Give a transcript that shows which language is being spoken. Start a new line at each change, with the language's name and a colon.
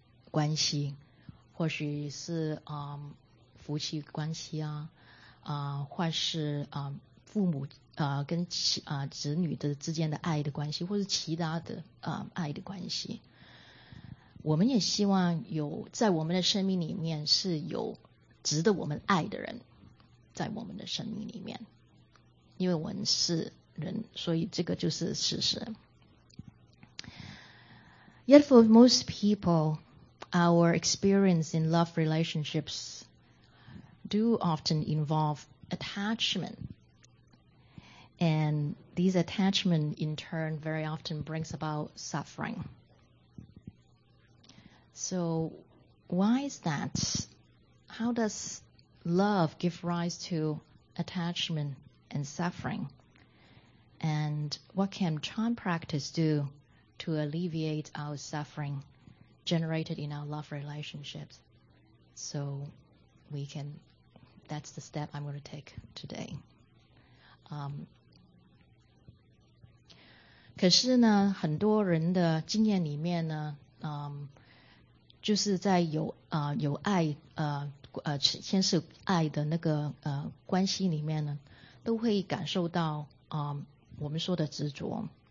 Chinese: 关系, 或许是夫妻关系啊, 或是父母跟子女之间的爱的关系, 或是其他的爱的关系, 我们也希望有在我们的生命里面是有值得我们爱的人, 在我们的生命里面, 因为我们是人, 所以这个就是事实。
English: Yet for most people, our experience in love relationships do often involve attachment. And these attachments in turn very often brings about suffering. So why is that? How does love give rise to attachment and suffering? And what can Chan practice do to alleviate our suffering generated in our love relationships, so we can, that's the step I'm going to take today.
Chinese: 可是呢, 很多人的经验里面呢, 就是在有爱牵涉爱的那个关系里面呢, 都会感受到, 我们说的执着。